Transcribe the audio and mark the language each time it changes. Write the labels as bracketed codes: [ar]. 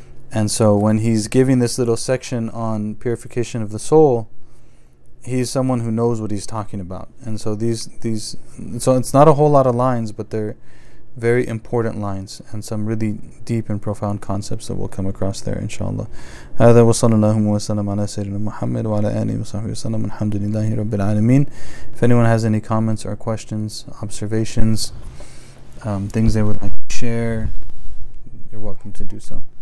[en] And so when he's giving this little section on purification of the soul, he's someone who knows what he's talking about. And so so it's not a whole lot of lines, but they're very important lines and some really deep and profound concepts that we'll come across there, inshallah. [ar] هذا وصلى الله وسلم على سيدنا محمد وعلى آله وصحبه وسلم الحمد لله رب العالمين. [en] If anyone has any comments or questions, observations, things they would like to share, you're welcome to do so.